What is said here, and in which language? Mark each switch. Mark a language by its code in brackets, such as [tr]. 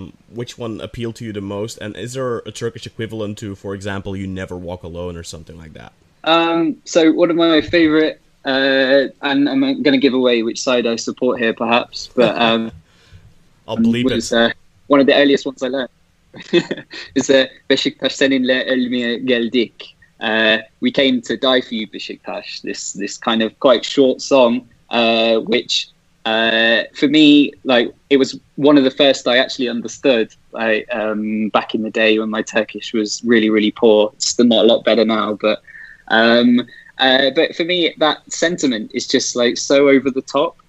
[en] Which one appealed to you the most? And is there a Turkish equivalent to, for example, You Never Walk Alone or something like that? So one of my favorite, and I'm going to give away which side I support here, perhaps. But I'll believe it. One of the earliest ones I learned. It's a [tr] Beşiktaş seninle ölmeye geldik. [en] We came to die for you, Beşiktaş. This kind of quite short song, which for me, like, it was one of the first I actually understood. Back in the day when my Turkish was really, really poor. It's still not a lot better now, but for me, that sentiment is just like so over the top.